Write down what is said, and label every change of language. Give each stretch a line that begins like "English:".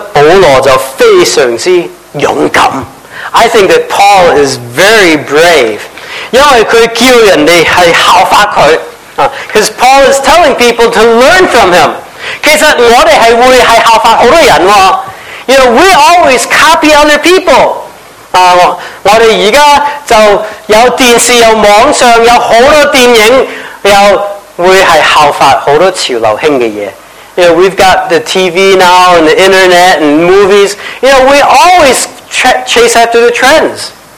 Chinese: 哇，我觉得保罗就非常之勇敢。
English: I think that Paul is very brave.
Chinese: 因为他叫人家是效法他。
English: Because Paul is telling people to learn from him.
Chinese: 其实我们是会效法很多人。You
English: know, we always copy other people.
Chinese: 我们现在就有电视，有网上，有很多电影，又会是效法很多潮流兴的东西。
English: You know, we've got the TV now, and the internet, and movies. You know, we always chase after the trends.